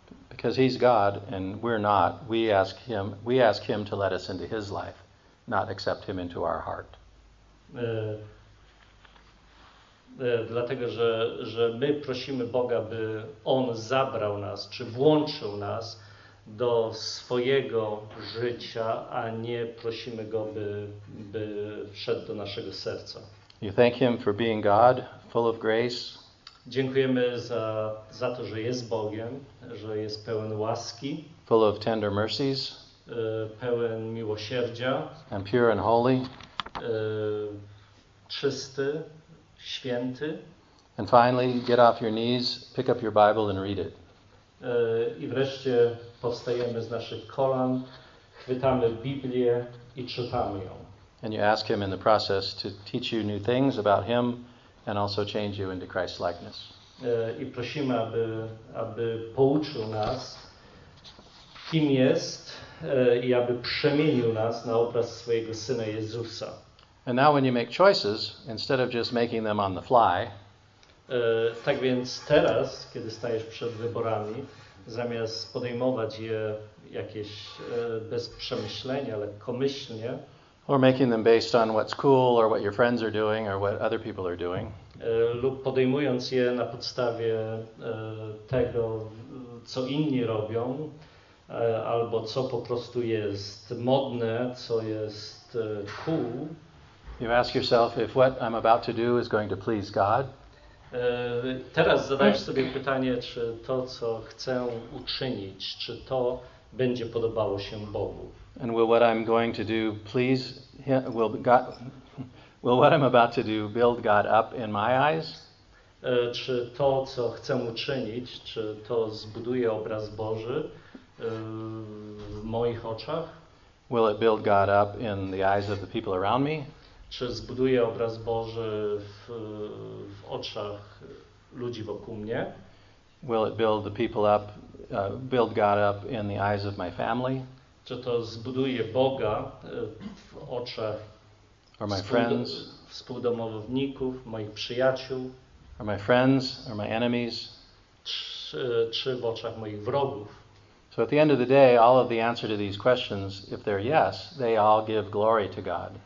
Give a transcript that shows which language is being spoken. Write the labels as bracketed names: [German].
[English] Because he's God and we're not, we ask him to let us into his life, not accept him into our heart. [Polish] Dlatego, że my prosimy Boga, by On zabrał nas, czy włączył nas do swojego życia, a nie prosimy Go, by wszedł do naszego serca. [English] You thank Him for being God, full of grace. [Polish] Dziękujemy za to, że jest Bogiem, że jest pełen łaski. [English] Full of tender mercies. [Polish] Pełen miłosierdzia. [English] And pure and holy. [Polish] Czysty. Święty. [English] And finally, get off your knees, pick up your Bible and read it. [Polish] I wreszcie powstajemy z naszych kolan, chwytamy Biblię i czytamy ją. [English] And you ask him in the process to teach you new things about him and also change you into Christ's likeness. [Polish] I prosimy, aby pouczył nas, kim jest, i aby przemienił nas na obraz swojego Syna Jezusa. [English] And now when you make choices, instead of just making them on the fly, [Polish] tak więc teraz, kiedy stajesz przed wyborami, zamiast podejmować je jakieś bez przemyślenia, lekkomyślnie, [English] Or making them based on what's cool or what your friends are doing or what other people are doing. [Polish] Lub podejmując je na podstawie tego, co inni robią, albo co po prostu jest modne, co jest cool. [English] You ask yourself if what I'm about to do is going to please God. [Polish] Teraz zadajesz sobie pytanie, czy to, co chcę uczynić, czy to będzie podobało się Bogu. [English] And will what I'm going to do please him, will what I'm about to do build God up in my eyes? [Polish] Czy to, co chcę uczynić, czy to zbuduje obraz Boży w moich oczach? [English] Will it build God up in the eyes of the people around me? [Polish] Czy zbuduje obraz Boży w oczach ludzi wokół mnie? [English] Will it build the people up, build God up in the eyes of my family? [Polish] Czy to zbuduje Boga w oczach [English] or my friends, [Polish] współdomowników, moich przyjaciół? [English] Or my friends, or my enemies? [Polish] Czy w oczach moich wrogów? [English] So at the end of the day, all of the answer to these questions, if they're yes, they all give glory to God.